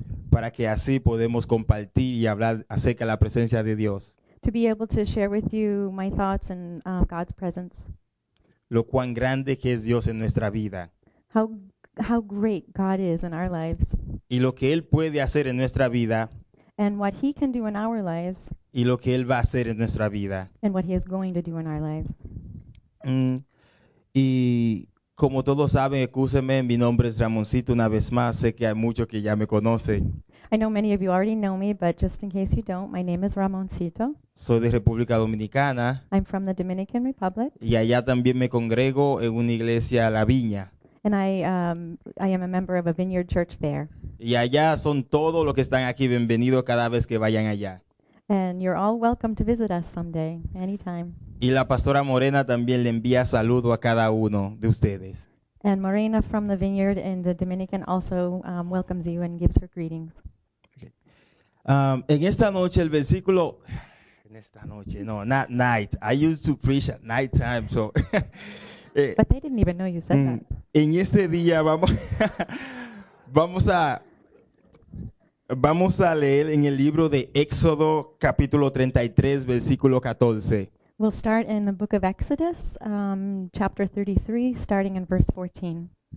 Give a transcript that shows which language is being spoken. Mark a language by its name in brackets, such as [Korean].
[Spanish] Para que así podemos compartir y hablar acerca de la presencia de Dios. [English] To be able to share with you my thoughts and God's presence. [Spanish] Lo cuán grande que es Dios en nuestra vida. [English] How great God is in our lives. [Spanish] Y lo que él puede hacer en nuestra vida. [English] And what he can do in our lives. [Spanish] Y lo que él va a hacer en nuestra vida. [English] And what he is going to do in our lives. [Spanish] Y como todos saben, excúsenme, mi nombre es Ramoncito una vez más, sé que hay muchos que ya me conocen. [English] I know many of you already know me, but just in case you don't, my name is Ramoncito. [Spanish] Soy de República Dominicana. [English] I'm from the Dominican Republic. [Spanish] Y allá también me congrego en una iglesia, La Viña. [English] And I am a member of a Vineyard church there. [Spanish] Y allá son todos los que están aquí bienvenidos cada vez que vayan allá. [English] And you're all welcome to visit us someday, anytime. [Spanish] Y la pastora Morena también le envía saludo a cada uno de ustedes. [English] And Morena from the Vineyard in the Dominican also welcomes you and gives her greetings. [Spanish] En esta noche el versículo, en esta noche, no, [English] not night. I used to preach at night time, so. But they didn't even know you said that. [Spanish] En este día vamos a leer en el libro de Éxodo capítulo 33 versículo 14. [English] We'll start in the book of Exodus, chapter 33, starting in verse 14.